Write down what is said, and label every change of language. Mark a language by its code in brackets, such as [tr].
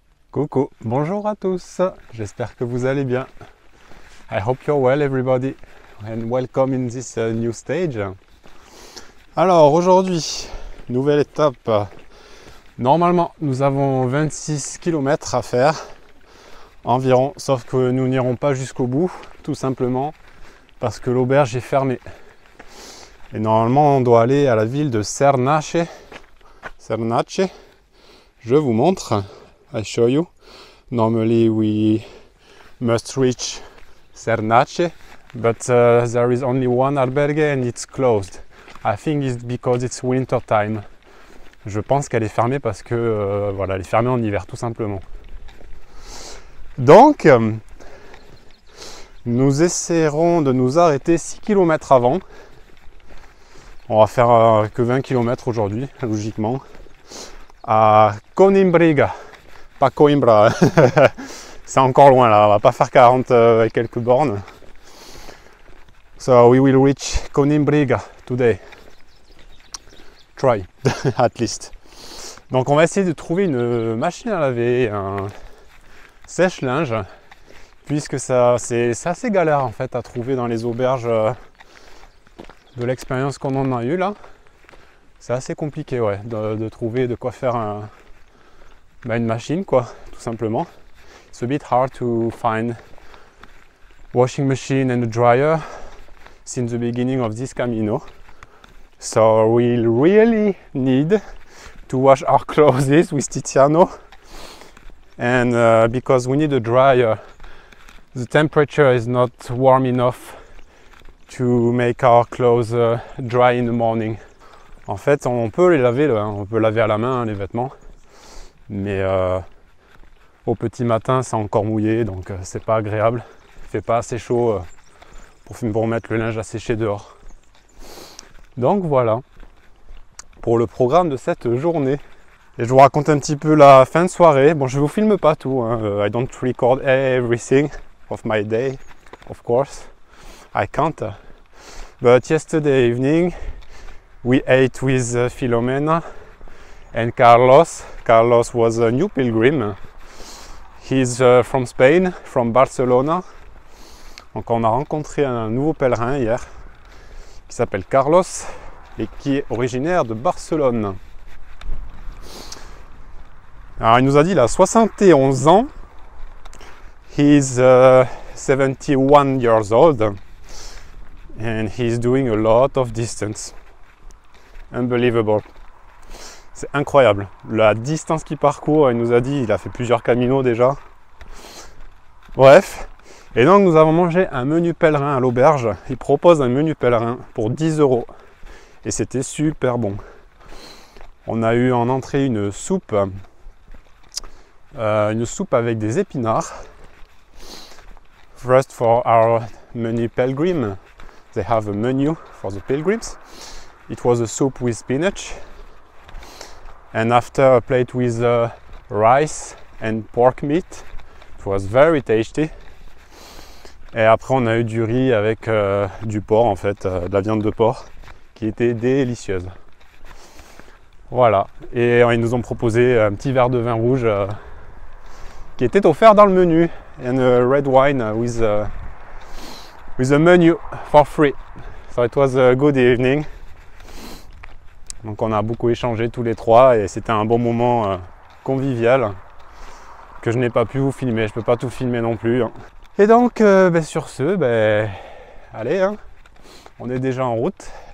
[fr] Coucou, bonjour à tous, j'espère que vous allez bien. [en] I hope you're well everybody and welcome in this new stage. [fr] Alors aujourd'hui, nouvelle étape. Normalement, nous avons 26 km à faire environ, sauf que nous n'irons pas jusqu'au bout, tout simplement parce que l'auberge est fermée. Et normalement, on doit aller à la ville de Cernache. Cernache, je vous montre. [en] I show you. Normally we must reach Cernache, but there is only one albergue and it's closed. I think it's because it's winter time. [fr] Je pense qu'elle est fermée parce que voilà, elle est fermée en hiver tout simplement. Donc nous essaierons de nous arrêter 6 km avant. On va faire que 20 km aujourd'hui, logiquement, à Conimbriga. Pas Coimbra, c'est encore loin là, on va pas faire 40 et quelques bornes. [en] So we will reach Conimbriga today. Try, at least. [fr] Donc on va essayer de trouver une machine à laver, un sèche-linge, puisque ça, c'est assez galère en fait à trouver dans les auberges de l'expérience qu'on en a eu là. C'est assez compliqué, ouais, de trouver de quoi faire un... Bah une machine quoi, tout simplement. [en] It's a bit hard to find washing machine and a dryer since the beginning of this Camino. So we really need to wash our clothes with Tiziano. And because we need a dryer, the temperature is not warm enough to make our clothes dry in the morning. [fr] En fait, on peut les laver, hein. On peut laver à la main hein, les vêtements. Mais au petit matin, c'est encore mouillé, donc c'est pas agréable. Il fait pas assez chaud pour mettre le linge à sécher dehors. Donc voilà pour le programme de cette journée. Et je vous raconte un petit peu la fin de soirée. Bon, je vous filme pas tout. Hein. [en] I don't record everything of my day, of course. I can't. But yesterday evening, we ate with Filomena. And Carlos was a new pilgrim. He's from Spain, from Barcelona. [fr] Donc on a rencontré un nouveau pèlerin hier qui s'appelle Carlos et qui est originaire de Barcelone. Alors il nous a dit il a 71 ans. [en] He's 71 years old and he's doing a lot of distance. Unbelievable. [fr] C'est incroyable, la distance qu'il parcourt, il nous a dit, il a fait plusieurs caminos déjà. Bref, et donc nous avons mangé un menu pèlerin à l'auberge. Il propose un menu pèlerin pour 10 euros. Et c'était super bon. On a eu en entrée une soupe avec des épinards. [en] First for our menu pilgrim, they have a menu for the pilgrims. It was a soup with spinach. And after a plate with rice and pork meat, it was very tasty. [fr] Et après on a eu du riz avec du porc en fait, de la viande de porc, qui était délicieuse. Voilà, et ils nous ont proposé un petit verre de vin rouge qui était offert dans le menu. [en] And a red wine with a menu for free. So it was a good evening. [fr] Donc on a beaucoup échangé tous les trois et c'était un bon moment convivial que je n'ai pas pu vous filmer, je peux pas tout filmer non plus. Hein. Et donc sur ce, allez, hein. On est déjà en route.